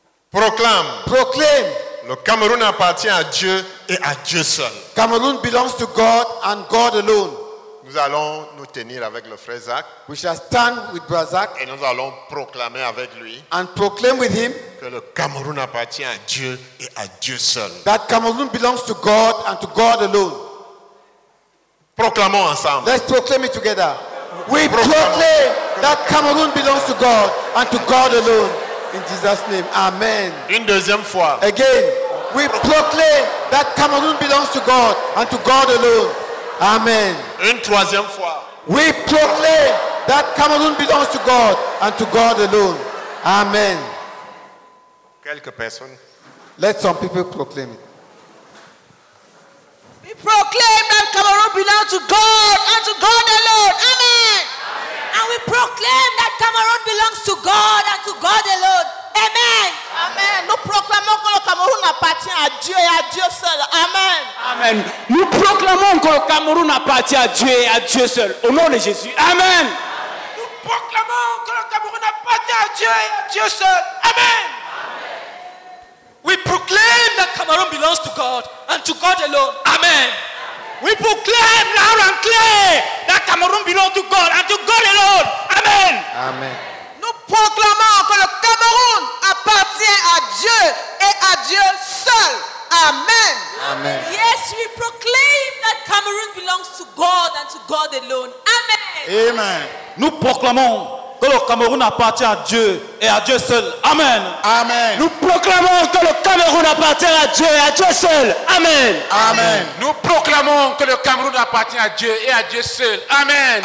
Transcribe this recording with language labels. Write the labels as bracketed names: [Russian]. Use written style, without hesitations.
[French] Proclaim, le Cameroun appartient à Dieu et à Dieu seul. [English] Cameroun belongs to God and God alone. [French] Nous allons nous tenir avec le frère Zach. [English] We shall stand with Brazak. [French] Et nous allons proclamer avec lui. [English] And proclaim with him. [French] Que le Cameroun appartient à Dieu et à Dieu seul. [English] That Cameroun belongs to God and to God alone. [French] Proclamons ensemble. [English] Let's proclaim it together. We proclaim that Cameroun belongs to God and to God alone. In Jesus' name. Amen. [French] Une deuxième fois. [English] Again. We proclaim that Cameroun belongs to God and to God alone. Amen. [French] Une troisième fois. [English] We proclaim that Cameroun belongs to God and to God alone. Amen. [French] Quelques personnes. [English] Let some people proclaim it. We proclaim that Cameroun belongs to God and to God alone. Amen. Amen. And we proclaim that Cameroun belongs to God and to God alone. Amen. Amen. [French] Nous proclamons que le Cameroun appartient à Dieu et à Dieu seul. Amen. Amen. Nous proclamons que le Cameroun appartient à Dieu et à Dieu seul. Au nom de Jésus. Amen. Amen. Nous proclamons que le Cameroun appartient à Dieu et à Dieu seul. Amen. [English] We proclaim that Cameroun belongs to God and to God alone. Amen. Amen. We proclaim loud and clear that Cameroun belongs to God and to God alone. Amen. Amen. [French] Nous proclamons que le Cameroun appartient à Dieu et à Dieu seul. Amen. Amen. [English] Yes, we proclaim that Cameroun belongs to God and to God alone. Amen. Amen. [French] Nous proclamons que le Cameroun appartient à Dieu et à Dieu seul. Amen. Amen. Nous proclamons que le Cameroun appartient à Dieu et à Dieu seul. Amen. Amen. Nous proclamons que le Cameroun appartient à Dieu et à Dieu seul. Amen.